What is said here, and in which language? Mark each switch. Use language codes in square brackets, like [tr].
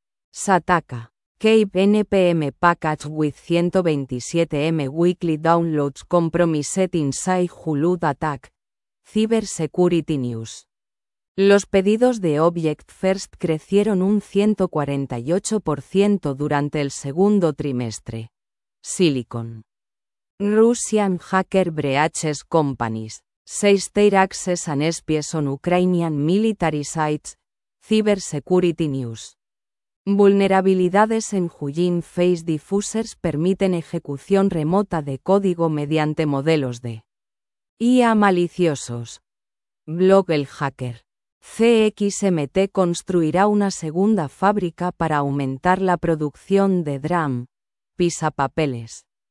[en] Sataka. Cape NPM package with 127 MB weekly downloads compromised inside Hulud attack. Cyber Security News. [es] Los pedidos de Object First crecieron un 148% durante el segundo trimestre. [en] Silicon. Russian hacker breaches companies. State access and espies on Ukrainian military sites. Cyber Security News. [es] Vulnerabilidades en Hugging Face diffusers permiten ejecución remota de código mediante modelos de IA maliciosos. Blog El Hacker. CXMT construirá una segunda fábrica para aumentar la producción de DRAM, pisa papeles.